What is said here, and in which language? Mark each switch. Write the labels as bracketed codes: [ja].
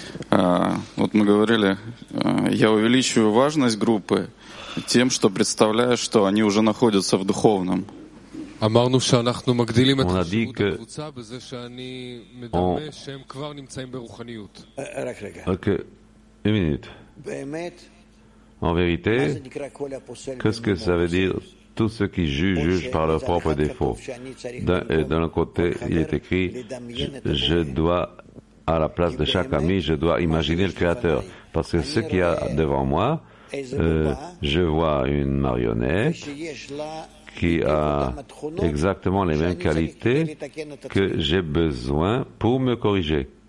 [ru] Вот мы говорили, я увеличиваю важность группы тем, что представляю, что они уже находятся в духовном. [he] אמרנו שאנחנו מגדילים את הקבוצה בזה שאני מדמה שהם כבר נמצאים ברוחניות. רק רגע. אוקיי, אמינית. באמת? [fr] En vérité, qu'est-ce que ça veut dire? Tous ceux qui jugent par leurs propres défauts. D'un côté, il est écrit, je dois, à la place de chaque ami, je dois imaginer le Créateur. Parce que ce qu'il y a devant moi, je vois une marionnette qui a exactement les mêmes qualités que j'ai besoin pour me corriger.